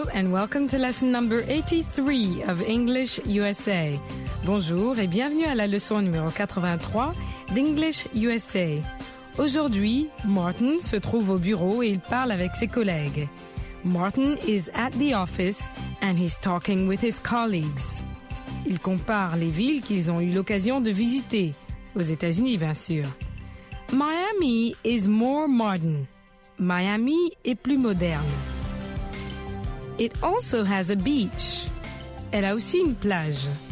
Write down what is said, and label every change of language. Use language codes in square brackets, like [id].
[en] Welcome to lesson number 83 of English USA. [fr] Bonjour et bienvenue à la leçon numéro 83 d'English USA. Aujourd'hui, Martin se trouve au bureau et il parle avec ses collègues. [en] Martin is at the office and he's talking with his colleagues. [fr] Il compare les villes qu'ils ont eu l'occasion de visiter, aux États-Unis bien sûr. [en] Miami is more modern. [fr] Miami est plus moderne. [en] It also has a beach. [fr] Elle a aussi une plage.